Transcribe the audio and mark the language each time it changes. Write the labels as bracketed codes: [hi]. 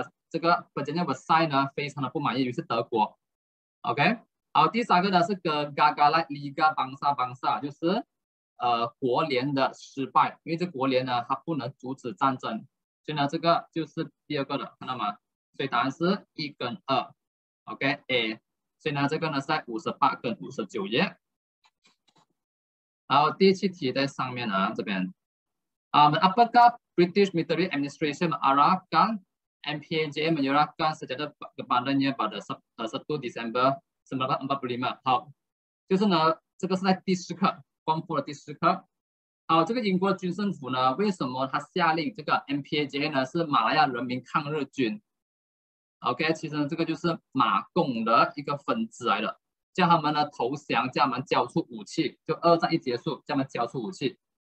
[zh] 这个本杰明·伯塞呢，非常的不满意，于是德国 ，OK， 好，第三个呢是 [ms] Gagalan Liga Bangsa-Bangsa， [zh] 就是国联的失败，因为这国联呢它不能阻止战争，所以呢这个就是第二个的，看到吗？所以答案是一跟二 ，OK A， 所以呢这个呢是在58跟59页。好，第七题在上面啊，这边啊，我们 [ms] Apakah British Military Administration mengarahkan MPAJA menyerahkan senjata kepadanya pada 1 Disember 1945。 [zh] 好，就是呢，这个是在第十课，光复的第十课。好，这个英国军政府呢，为什么他下令这个 MPAJA 呢？是马来亚人民抗日军。OK， 其实这个就是马共的一个分支来的，叫他们呢投降，叫他们交出武器，就二战一结束，叫他们交出武器。